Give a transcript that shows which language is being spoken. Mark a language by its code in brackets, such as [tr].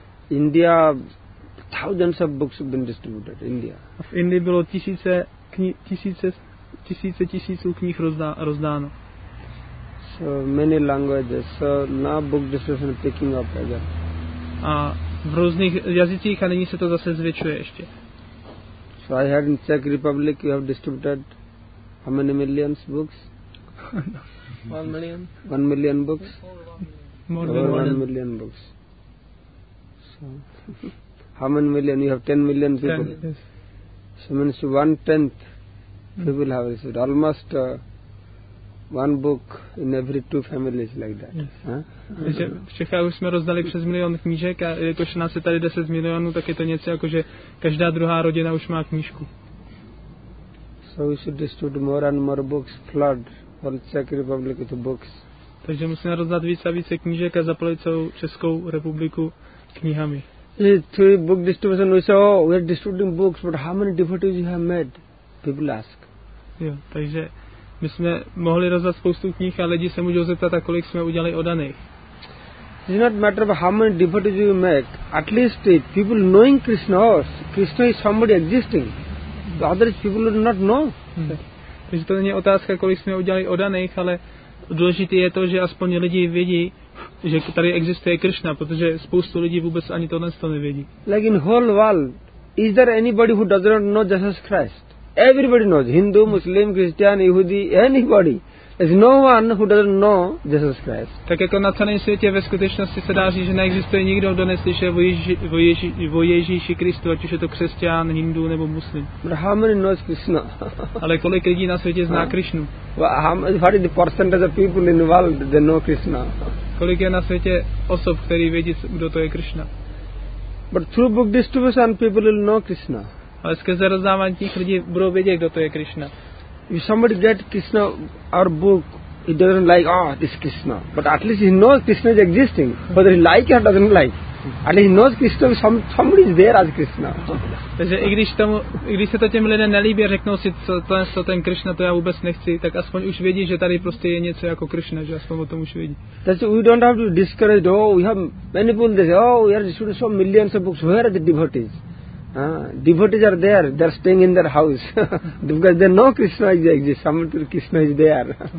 [en] India, thousands of books have been distributed. India. [cs] V Indii bylo tisíce knih rozdáno. [en] So many languages. So now book distribution picking up again. [cs] A v různých jazycích a nyní se to zase zvětšuje ještě. [en] So I heard in Czech Republic you have distributed how many millions books? 1 million. 1 million books. More than one million books. How many million? You have 10 million people. 10, yes. So means 1/10 people have received almost one book in every two families like that. Yes. Huh? [cs] V Čechách už jsme rozdali přes milion knížek a jakož nás je tady 10 milionů, tak je to něco jako, že každá druhá rodina už má knížku. [en] So we should distribute more and more books, flood all Czech Republic with books. [cs] Takže musíme rozdat více a více knížek a zaplavit celou Českou republiku knihami. [en] Through book distribution we say, we are distributing books, but how many devotees you have made? People ask. [cs] Jo, takže my jsme mohli rozdat spoustu knih a lidi se můžou zeptat, a kolik jsme udělali odaných. [en] It's not matter of how many devotees you make, at least if people knowing Krishna, Krishna is somebody existing. The others people do not know. [cs] Takže to není otázka, kolik jsme udělali odaných, ale důležité je to, že aspoň lidi vědí, že tady existuje Krishna, protože spoustu lidí vůbec ani tohle z toho nevědí. [en] Like in whole world, is there anybody who does not know Jesus Christ? Everybody knows, Hindu, Muslim, Christian, Yehudi, anybody. There's no one who doesn't know Jesus Christ. [cs] Tak jako na celém světě ve skutečnosti se dá říct, že neexistuje nikdo, kdo neslyšel o Ježíši Kristu, ať už je to křesťan, hindu nebo muslim. [en] But how many knows Krishna? [cs] Ale kolik lidí na světě zná Krishnu? [en] What is the percentage of people in the world that know Krishna? [cs] Kolik je na světě osob, který vědí, kdo to je Krishna? [en] But through book distribution people will know Krishna. [cs] Ale skrze rozdávání těch lidí budou vědět, kdo to je Krishna. [en] If somebody get Krishna our book, he doesn't like, oh, this Krishna. But at least he knows Krishna is existing. Whether he likes or doesn't like. At least he knows Krishna, somebody is there as Krishna. [cs] Takže i když se to těm lidem nelíbí a řeknou si, co ten Krishna, to já vůbec nechci, tak aspoň už vědí, že tady prostě je něco jako Krishna, že aspoň o tom už vědí. [en] That's why we don't have to discourage, oh, we have many people, they say, oh, we are distributing so millions of books, where are the devotees? Devotees are there, they are staying in their house, because they know Krishna exists, somebody Krishna is there.